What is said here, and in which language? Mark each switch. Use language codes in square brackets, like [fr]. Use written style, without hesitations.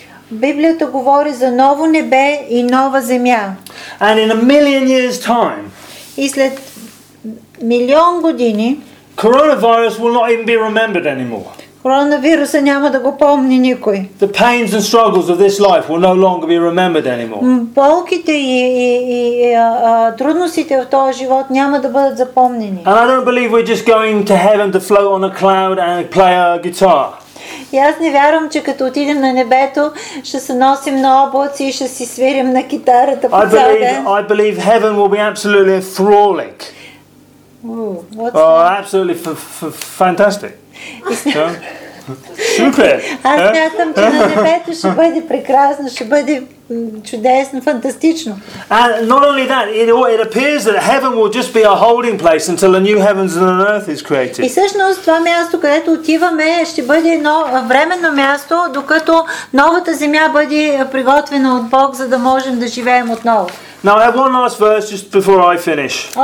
[bg] Библията говори за ново небе и нова земя. [en] And in a million years time, [bg] и след милион години, [en] coronavirus will not even be remembered anymore. [bg] Коронавируса няма да го помни никой. [en] The pains and struggles of this life will no longer be remembered anymore. [bg] Болките и трудностите в този живот няма да бъдат запомнени. [en] And I don't believe we're just going to heaven to float on a cloud and play a guitar. [bg] И аз не вярвам, че като отидем на небето, ще се носим на облаци и ще си свирим на китарата по цял ден. [en] I believe heaven will be absolutely enthralling. Oh, absolutely fantastic. Super. [bg] Аз мятам, че на небето ще бъде прекрасно, ще бъде чудесно, фантастично. [en] And not only that, it appears that heaven will just be a holding place until a new heavens and an earth is created. [bg] И всъщност това място, където отиваме, ще бъде едно временно място, докато новата земя бъде приготвена от Бог, за да можем да живеем отново. [en] Now I have one last verse just before I finish.